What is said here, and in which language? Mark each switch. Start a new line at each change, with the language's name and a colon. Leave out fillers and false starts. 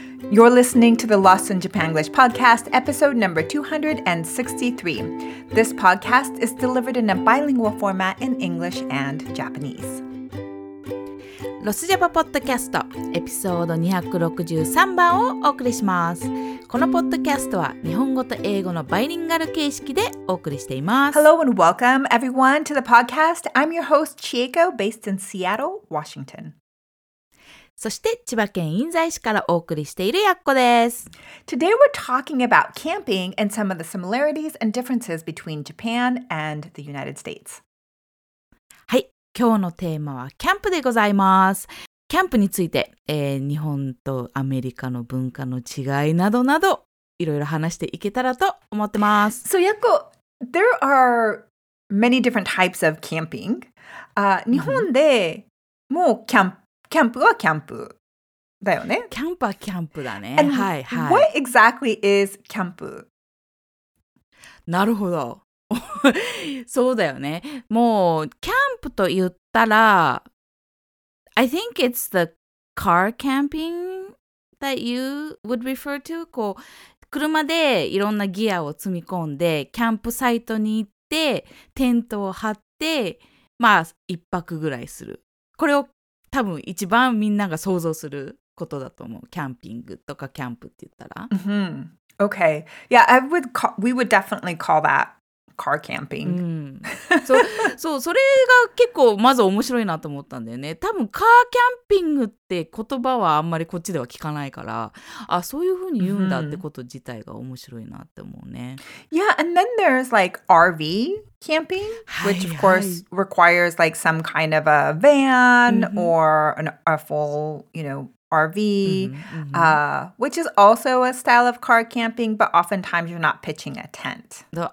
English: You're listening to the Lost in Japanglish podcast, episode number 263. This podcast is delivered in a bilingual format in English and Japanese.
Japanese: ロスジャパポッドキャストエピソード263番をお送りします。このポッドキャストは日本語と英語のバイリンガル形式でお送りしています。
English: Hello and welcome everyone to the podcast. I'm your host Chieko, based in Seattle, Washington.
Japanese: そして千葉県印西市からお送りしているやっこです。
English: Today we're talking about camping and some of the similarities and differences between Japan and the United States.
Japanese: はい、今日のテーマはキャンプでございます。キャンプについて、日本とアメリカの文化の違いなどなどいろいろ話していけたらと思ってます。
English: So, Yako, there are many different types of camping.
Japanese: 日本でもうキャンプはキャンプだよね。キャンプはキャンプだね。
English: And、
Japanese: はいはい。
English: What exactly is キャンプ？
Japanese: なるほど。そうだよね。もうキャンプと言ったら、
English: I think it's the car camping that you would refer to.
Japanese: こう車でいろんなギアを積み込んでキャンプサイトに行ってテントを張って、まあ一泊ぐらいする。これを多分一番みんなが想像することだと思う。キャンピングとかキャンプって言ったら。
English: Mm-hmm. Okay. Yeah, we would definitely call that. Car camping. So, so,
Japanese: それが結構まず面白いなと思ったんだよね。多分カーキャンピングって言葉はあんまりこっちでは聞かないから、あ、そういうふうに言うんだってこと自体が面白いなって思うね。
English: Yeah, and then there's like RV camping, which of course requires like some kind of a van or a full, you know, RV, which is also a style of car camping, but oftentimes you're not pitching a tent.